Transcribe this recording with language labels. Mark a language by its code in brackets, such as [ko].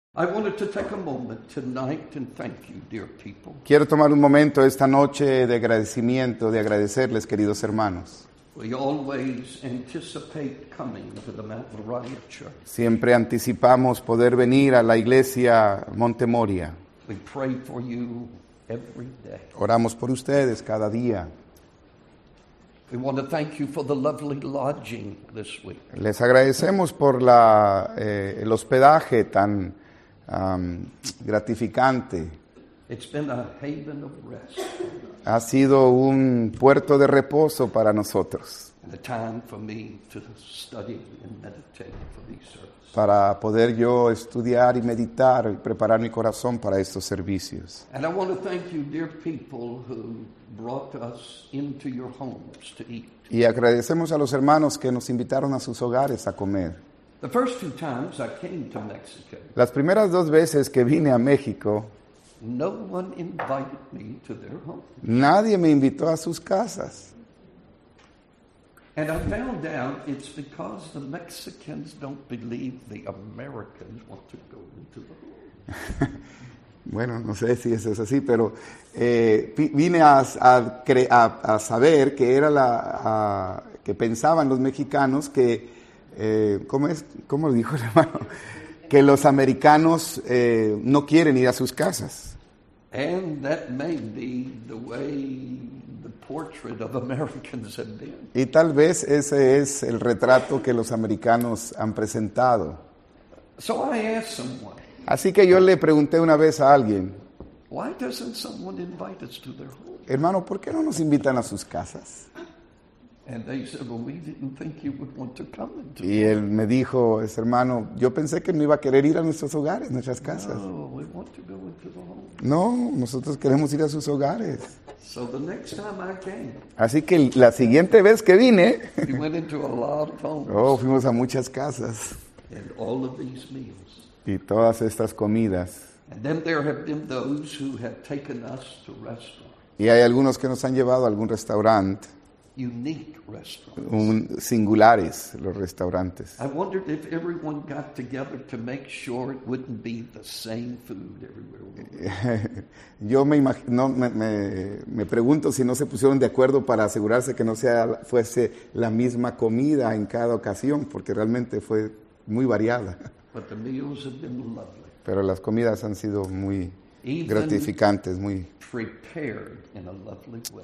[en] I wanted to take a moment tonight and thank you, dear people. [es] Quiero tomar un momento esta noche de agradecimiento, de agradecerles, queridos hermanos. [en] We always anticipate coming to the Mount Moriah Church. [es] Siempre anticipamos poder venir a la iglesia Monte Moria. [en] We pray for you every day. [es] Oramos por ustedes cada día. [en] We want to thank you for the lovely lodging this week. [es] Les agradecemos por la el hospedaje tan gratificante. [en] It's been a haven of rest. [es] Ha sido un puerto de reposo para nosotros. [en] And a time for me to study and meditate for these services. [es] Para poder yo estudiar y meditar y preparar mi corazón para estos servicios. [en] And I want to thank you, dear people, who brought us into your homes to eat. [es] Y agradecemos a los hermanos que nos invitaron a sus hogares a comer. [en] The first few times I came to Mexico. [es] Las primeras dos veces que vine a México, [en] no one invited me to their home. [es] Nadie me invitó a sus casas. [en] And I found out it's because the Mexicans don't believe the Americans want to go into the home. [es] Bueno, no sé si eso es así, pero vine a saber que era la que pensaban los mexicanos que ¿cómo dijo el hermano? Que los americanos no quieren ir a sus casas. [en] And that may be the way the portrait of Americans have been. [es] Y tal vez ese es el retrato que los americanos han presentado. [en] So I asked someone. [es] Así que yo le pregunté una vez a alguien. [en] Why doesn't someone invite us to their home? [es] Hermano, ¿por qué no nos invitan a sus casas? [en] And they said, "Well, we didn't think you would want to come into." [es] Y él me dijo, ese hermano, yo pensé que no iba a querer ir a nuestros hogares, nuestras casas. [en] No, we want to go into the home. [es] No, nosotros queremos ir a sus hogares. [en] So the next time I came. [es] Así que la siguiente vez que vine. [en] We went into a lot of homes. [es] Oh, fuimos a muchas casas. [en] And all of these meals. [es] Y todas estas comidas. [en] And then there have been those who have taken us to restaurants. [es] Y hay algunos que nos han llevado a algún restaurante. [en] Unique restaurants. [es] Singulares los restaurantes. [en] I wondered if everyone got together to make sure it wouldn't be the same food everywhere. [es] Yo me imagino, me pregunto si no se pusieron de acuerdo para asegurarse que no fuese la misma comida en cada ocasión, porque realmente fue muy variada. [en] But the meals have been lovely. [es] Pero las comidas han sido muy gratificantes, muy [en] prepared in a lovely way.